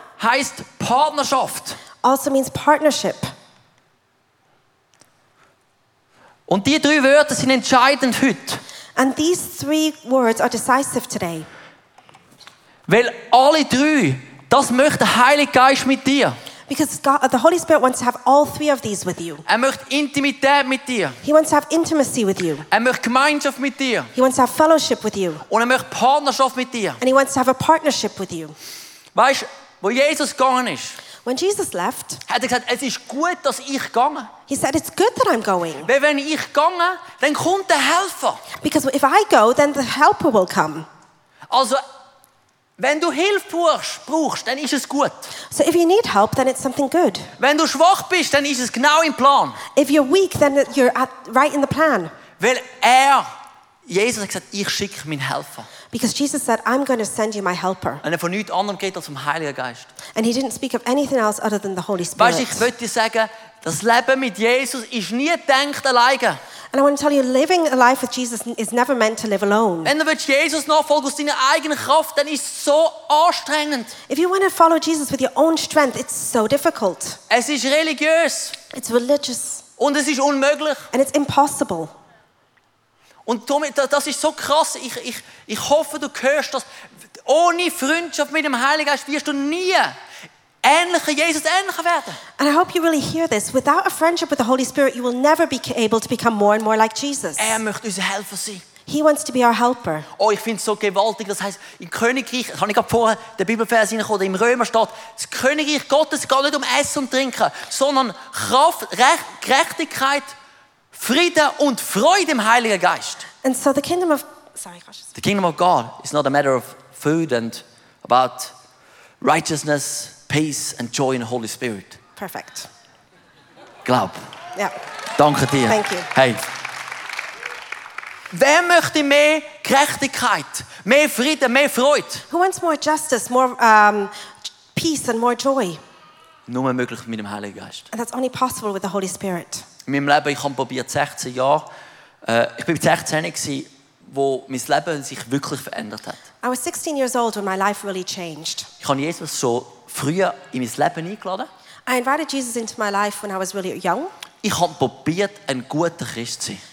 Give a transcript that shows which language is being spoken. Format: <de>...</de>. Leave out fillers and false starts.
<de>Heisst Partnerschaft.</de> <en>Also means partnership.</en> <de>Und die drei Wörter sind entscheidend heute.</de> <en>And these three words are decisive today.</en> <de>Weil alle drei, das möchte der Heilige Geist mit dir.</de> <en>Because God, the Holy Spirit wants to have all three of these with you.</en> <de>Er möchte Intimität mit dir.</de> <en>He wants to have intimacy with you.</en> <de>Er möchte Gemeinschaft mit dir.</de> <en>He wants to have fellowship with you.</en> <de>Und er möchte Partnerschaft mit dir.</de> <en>And he wants to have a partnership with you.</en> <de>Weißt, wo Jesus gegangen ist?</de> <en>When Jesus left,</en> <de>hat er gesagt, es ist gut, dass ich gange.</de> <en>He said, it's good that I'm going.</en> <de>Weil wenn ich gange, dann kommt der Helfer.</de> <en>Because if I go, then the helper will come.</en> <de>Also, wenn du Hilfe brauchst, dann ist es gut.</de> <en>So if you need help, then it's something good.</en> <de>Wenn du schwach bist, dann ist es genau im Plan.</de> <en>If you're weak, then you're right in the plan.</en> <de>Weil er, Jesus hat gesagt, ich schicke meinen Helfer.</de> <en>Because Jesus said, I'm going to send you my helper.</en> <de>Und er von nichts anderem geht als vom Heiligen Geist.</de> <en>And he didn't speak of anything else other than the Holy Spirit.</en> <de>Weißt, ich möchte dir sagen, das Leben mit Jesus ist nie gedacht alleine.</de> <en>And I want to tell you, living a life with Jesus is never meant to live alone.</en> <de>Wenn du Jesus nachfolgst aus deiner eigenen Kraft, dann ist es so anstrengend.</de> <en>If you want to follow Jesus with your own strength, it's so difficult.</en> <de>Es ist religiös.</de> <en>It's religious.</en> <de>Und es ist unmöglich.</de> <en>And it's impossible.</en> <de>Und Tommy, das ist so krass. Ich hoffe, du hörst das. Ohne Freundschaft mit dem Heiligen Geist wirst du nie ähnlicher Jesus ähnlicher werden.</de> <en>And I hope you really hear this. Without a friendship with the Holy Spirit, you will never be able to become more and more like Jesus.</en> <de>Er möchte unser Helfer sein.</de> <en>He wants to be our helper.</en> <de>Oh, ich finde es so gewaltig. Das heisst, im Königreich, das habe ich gerade vorher den Bibelvers hineingekommen, im Römer steht, das Königreich Gottes geht nicht um Essen und Trinken, sondern Kraft, Recht, Gerechtigkeit, Frieden und Freude im Heiligen Geist.</de> <en>And so the kingdom of God is not a matter of food and about righteousness, peace and joy in the Holy Spirit. Perfect.</en> <de>Glaub.</de> <en>Yeah.</en> <de>Danke dir.</de> <en>Thank you. Hey.</en> <de>Wer möchte mehr Gerechtigkeit, mehr Frieden, mehr Freude?</de> <en>Who wants more justice, more peace and more joy?</en> <de>Nur möglich mit dem Heiligen Geist.</de> <en>And that's only possible with the Holy Spirit.</en> <de>In meinem Leben, ich habe probiert 16 Jahre. Ich bin 16, wo mein Leben sich wirklich verändert hat.</de> <en>I was 16 years old when my life really changed.</en> <de>Ich habe Jesus so früher in mein Leben eingeladen.</de> <en>I invited Jesus into my life when I was really young.</en> <de>Ich habe probiert, ein guter Christ zu sein.</de>